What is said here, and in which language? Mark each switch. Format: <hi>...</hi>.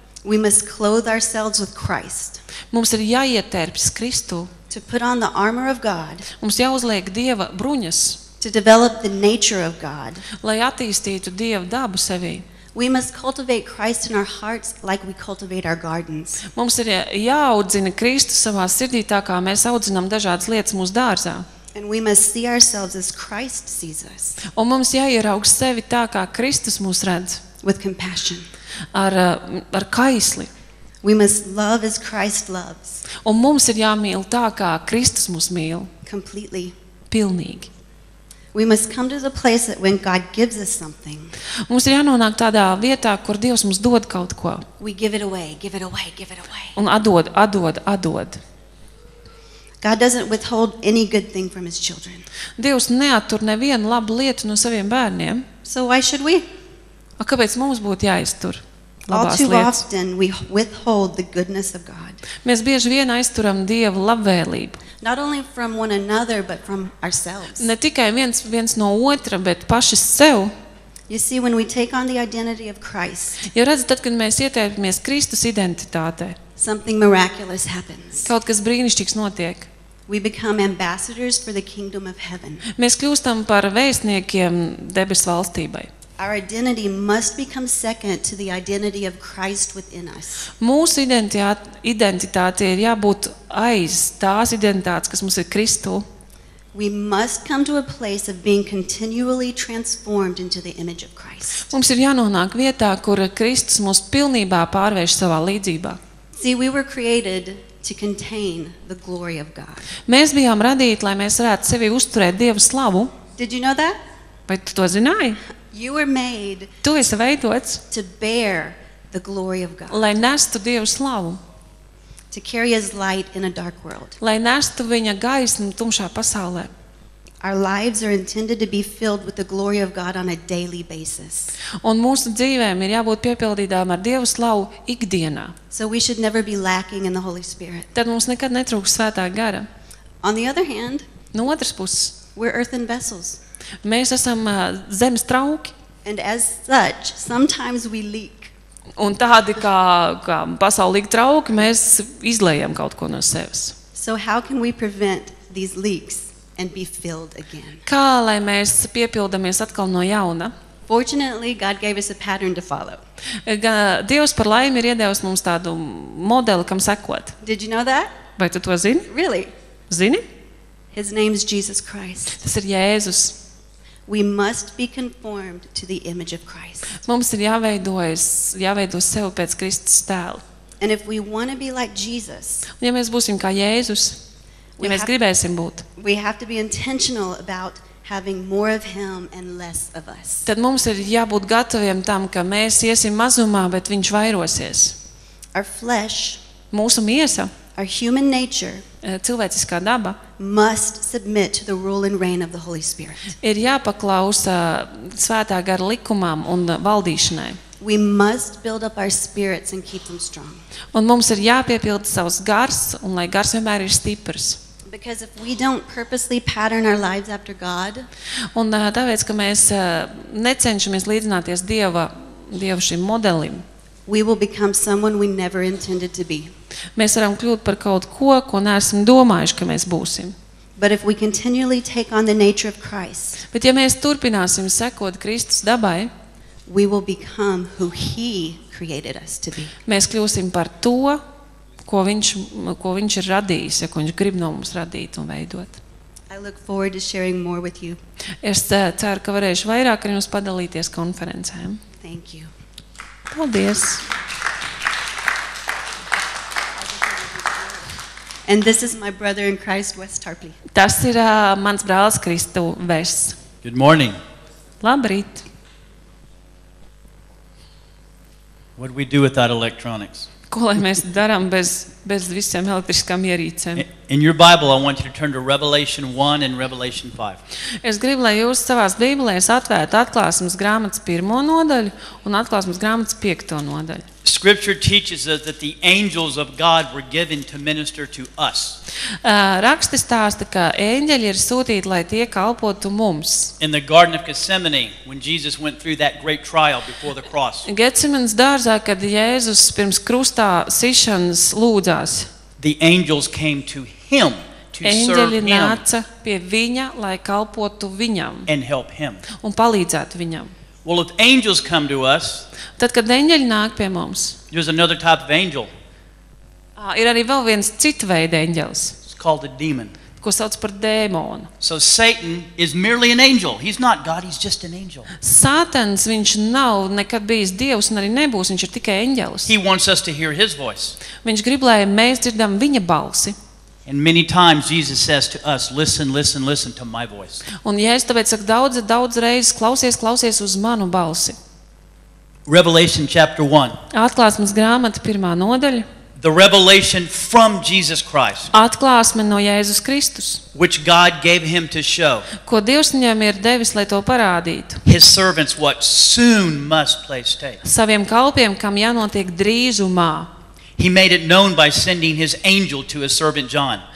<en>We must clothe ourselves with Christ.</en> <lv>Mums ir jāietērpjas Kristu.</lv> <en>To put on the armor of God.</en> <lv>Mums jāuzliek Dieva bruņas.</lv> <en>To develop the nature of God.</en> <lv>Lai attīstītu Dieva dabu sevī.</lv> <en>We must cultivate Christ in our hearts like we cultivate our gardens.</en> <lv>Mums ir jāaudzina Kristu savā sirdī tā kā mēs audzinām dažādas lietas mūsu dārzā.</lv> <en>And we must see ourselves as Christ sees us.</en> <lv>Un mums jāierauk sevi tā, kā Kristus mūs redz.</lv> <en>With compassion.</en> <lv>Ar kaisli.</lv> <en>We must love as Christ loves.</en> <lv>Un mums ir jāmīl tā, kā Kristus mūs mīl.</lv> <en>Completely.</en> <lv>Pilnīgi.</lv> <en>We must come to the place that when God gives us something.</en> <lv>Mums ir jānonāk tādā vietā, kur Dievs mums dod kaut ko.</lv> <en>We give it away, give it away, give it away.</en> <lv>Un atdod, atdod, atdod.</lv> <en>God doesn't withhold any good thing from his children.</en> <lv>Dievs neatur nevienu labu lietu no saviem bērniem.</lv> <en>So why should we?</en> <lv>A kāpēc mums būtu jāiztur labās lietas?</lv> <en>All too often we withhold the goodness of God.</en> <lv>Mēs bieži vien aizturam Dieva labvēlību.</lv> <en>Not only from one another but from ourselves.</en> <lv>Ne tikai viens no otra, bet paši sev.</lv> <en>You see when we take on the identity of Christ.</en> <lv>Ja redzat, tad kad mēs ietērpjamies Kristus identitātē.</lv> <en>Something miraculous happens.</en> <lv>Kaut kas brīnišķīgs notiek.</lv> <en>We become ambassadors for the kingdom of heaven.</en> <lv>Mēs kļūstam par vēstniekiem debesu valstībai.</lv> <en>Our identity must become second to the identity of Christ within us.</en> <lv>Mūsu identitāte ir jābūt aiz tās identitātes, kas mums ir Kristu.</lv> <en>We must come to a place of being continually transformed into the image of Christ.</en> <lv>Mums ir jānonāk vietā, kur Kristus mūs pilnībā pārvērš savā līdzībā.</lv> <en>See, we were created to contain the glory of God.</en> <lv>Mēs bijām radīti, lai mēs varētu sevi uzturēt Dieva slavu.</lv> <en>Did you know that?</en> <lv>Vai tu to zināji?</lv> <en>You were made.</en> <lv>Tu esi veidots</lv> <en>to bear the glory of God.</en> <lv>Lai nestu Dieva slavu.</lv> <en>To carry his light in a dark world.</en> <lv>Lai nestu viņa gaismu tumšā pasaulē.</lv> <en>Our lives are intended to be filled with the glory of God on a daily basis.</en> <lv>Un mūsu dzīvēm ir jābūt piepildītām ar Dieva slavu ikdienā.</lv> <en>So we should never be lacking in the Holy Spirit.</en> <lv>Tad mums nekad netrūks Svētā Gara.</lv> <en>On the other hand,</en> <lv>no otras puses,</lv> <en>we're earthen vessels.</en> <lv>Mēs esam zemes trauki.</lv> <en>And as such, sometimes we leak.</en> <lv>Un tādi kā pasaulīgi trauki, mēs izlējam kaut ko no sevis.</lv> <en>So how can we prevent these leaks? And be filled again.</en> <lv>Kā lai mēs piepildamies atkal no jauna?</lv> <en>Fortunately, God gave us a pattern to follow.</en> <lv>Dievs par laimi ir iedevis mums tādu modeli, kam sekot.</lv> <en>Did you know that?</en> <lv>Vai tu to zini?</lv> <en>Really?</en> <lv>Zini?</lv> <en>His name is Jesus Christ.</en> <lv>Tas ir Jēzus.</lv> <en>We must be conformed to the image of Christ.</en> <lv>Mums ir jāveido sevi pēc Kristus tēla.</lv> <en>And if we want to be like Jesus.</en> <lv>Un ja mēs būsim kā Jēzus, ja mēs gribēsim būt.</lv> <en>We have to be intentional about having more of him and less of us.</en> <lv>Tad mums ir jābūt gataviem tam, ka mēs iesim mazumā, bet viņš vairosies.</lv> <en>Our flesh,</en> <lv>mūsu miesa,</lv> <en>our human nature,</en> <lv>cilvēciskā daba,</lv> <en>must submit to the rule and reign of the Holy Spirit.</en> <lv>Ir jāpaklaus Svētā Gara likumam un valdīšanai.</lv> <en>We must build up our spirits and keep them strong.</en> <lv>Un mums ir jāpiepilda savs gars, un lai gars vienmēr ir stiprs.</lv> <en>Because if we don't purposely pattern our lives after God,</en> <lv>un tāpēc, ka mēs necenšamies līdzināties Dieva šim modelim,</lv> <en>we will become someone we never intended to be.</en> <lv>Mēs varam kļūt par kaut ko, ko neesam domājuši, ka mēs būsim.</lv> <en>But if we continually take on the nature of Christ,</en> <lv>bet ja mēs turpināsim sekot Kristus dabai,</lv> <en>we will become who he created us to be.</en> <lv>Mēs kļūsim par to, ko viņš ir radījis, ja ko viņš grib no mums radīt un veidot.</lv> <en>I look forward to sharing more with you.</en> <lv>Es ceru, ka varēšu vairāk ar jums padalīties konferencēm.</lv> <en>Thank you.</en> <lv>Paldies.</lv> <en>And this is my brother in Christ, Wes Tarpley.</en> <lv>Tas ir mans brālis Kristu Wes.</lv> <en>Good morning.</en> <lv>Labrīt.</lv> <en>What do we do without electronics?</en> <lv>Ko lai mēs darām bez visiem elektriskām ierīcēm?</lv> <en>In your Bible, I want you to turn to Revelation 1 and Revelation 5.</en> <lv>Es gribu, lai jūs savās Bībelēs atvērtu Atklāsmes grāmatas 1. Nodaļu un Atklāsmes grāmatas 5. Nodaļu.</lv> <en>Scripture teaches us that the angels of God were given to minister to us.</en> <lv>Raksti stāsta, ka eņģeļi ir sūtīti, lai tie kalpotu mums.</lv> <en>In the Garden of Gethsemane, when Jesus went through that great trial before the cross.</en> <lv>Getsemanes dārzā, kad Jēzus pirms krustā sišanas lūdzās.</lv> <en>The angels came to him to</en> <lv>eņģeļi</lv> <en>serve</en> <lv>nāca</lv> <en>him.</en> <lv>Pie viņa, lai kalpotu viņam.</lv> <en>And help him.</en> <lv>Un palīdzētu viņam.</lv> <en>Well, if angels come to us,</en> <lv>tad, kad eņģeļi nāk pie mums,</lv> <en>there's another type of angel.</en> <lv>Ir arī vēl viens cita veida eņģelis.</lv> <en>It's called a demon.</en> <lv>Ko sauc par dēmonu.</lv> <en>So Satan is merely an angel. He's not God, he's just an angel.</en> <lv>Sātans, viņš nav nekad bijis Dievs un arī nebūs, viņš ir tikai eņģelis.</lv> <en>He wants us to hear his voice.</en> <lv>Viņš grib, lai mēs dzirdam viņa balsi.</lv> <en>And many times Jesus says to us, listen, listen, listen to my voice.</en> <lv>Un Jēzus tāpēc saka daudz reizes, klausies uz manu balsi.</lv> <en>Revelation chapter 1.</en> <lv>Atklāsmes grāmata 1. Nodaļa.</lv> <en>The revelation from Jesus Christ.</en> <lv>Atklāsme no Jēzus Kristus.</lv> <en>Which God gave him to show.</en> <lv>Ko Dievs viņam ir devis, lai to parādītu.</lv> <en>His servants what soon must place take.</en> <lv>Saviem kalpiem, kam jānotiek drīzumā.</lv> <en>He made it known by sending his angel to his servant John.</en>